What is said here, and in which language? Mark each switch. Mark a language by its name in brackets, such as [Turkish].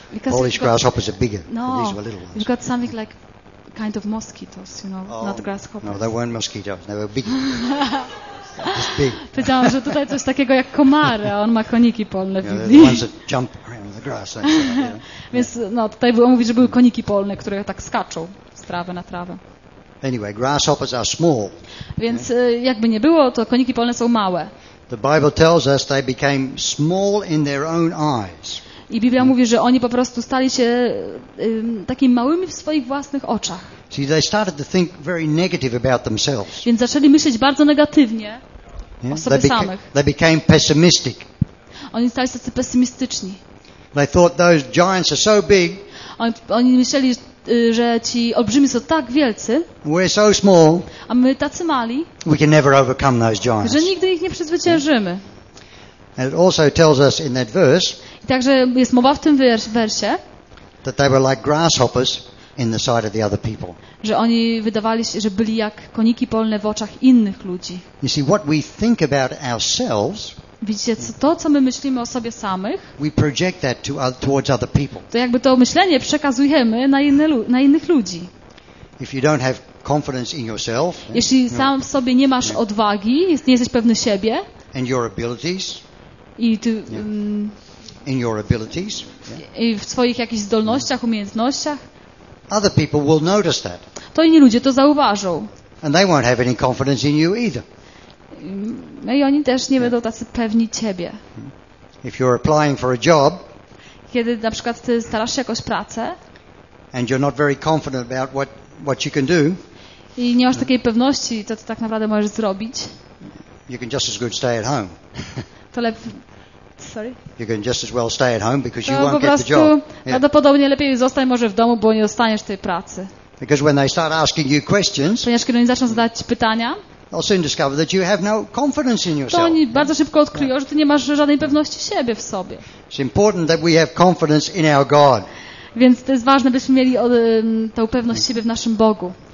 [English] Polish grasshoppers are bigger. No, these were little ones. We've got something like kind of mosquitoes, you know, not grasshoppers. No, they weren't mosquitoes. They were big. Just big. [Polish] Powiedziałam, że tutaj coś takiego jak komary, a on ma koniki polne w Biblii. [English] The ones that jump around the grass. Like, [Polish] Więc no, tutaj on mówi, że były koniki polne, które tak skaczą z trawy na trawę. [English] Anyway, grasshoppers are small. [Polish] Więc jakby nie było, to koniki polne są małe. [English] The Bible tells us they became small in their own eyes. [Polish] I Biblia mówi, że oni po prostu stali się takimi małymi w swoich własnych oczach. [English] See, they started to think very negative about themselves. [Polish] Więc zaczęli myśleć bardzo negatywnie. [English] They became pessimistic. [Polish] Oni stali się tacy pesymistyczni. [English] They thought those giants are so big. [Polish] Oni myśleli, że ci olbrzymi są tak wielcy. [English] We're so small. [Polish] A my tacy mali. [English] We can never overcome those giants. [Polish] Że nigdy ich nie przezwyciężymy. [English] And it also tells us in that verse. [Polish] I także jest mowa w tym wersie. [English] That they were like grasshoppers in the sight of the other people. [Polish] Że oni wydawali się, że byli jak koniki polne w oczach innych ludzi. [English] You see what we think about ourselves. [Polish] Widzicie, to, co my myślimy o sobie samych, [English] we project that to, towards other people. [Polish] To jakby to myślenie przekazujemy na innych ludzi. [English] If you don't have confidence in yourself, [Polish] jeśli sam w sobie nie masz odwagi, nie jesteś pewny siebie, [English] and your abilities, [Polish] i ty, [English] in your abilities, [Polish] i w swoich jakichś zdolnościach, umiejętnościach, [English] other people will notice that. [Polish] To inni ludzie to zauważą. [English] And they won't have any confidence in you either. [Polish] No i oni też nie będą tacy pewni ciebie. [English] If you're applying for a job, [Polish] kiedy na przykład ty starasz się jakąś pracę [English] and you're not very confident about what you can do, [Polish] i nie masz takiej pewności, co ty tak naprawdę możesz zrobić, [English] you can just as good stay at home. [Polish] To lepiej... [English] Sorry? You can just as well stay at home because [Polish] to [English] you won't [Polish] po prostu [English] get the job. [Polish] Prawdopodobnie lepiej zostań może w domu, bo nie dostaniesz tej pracy. [English] Because when they start asking you questions, [Polish] ponieważ kiedy oni zaczną zadać pytania, [English] I'll soon discover that you have no confidence in yourself. [Polish] To oni bardzo szybko odkryją, że ty nie masz żadnej pewności siebie w sobie. [English] It's important that we have confidence in our God. [Polish] Więc to jest ważne, byśmy mieli tą pewność siebie w naszym Bogu.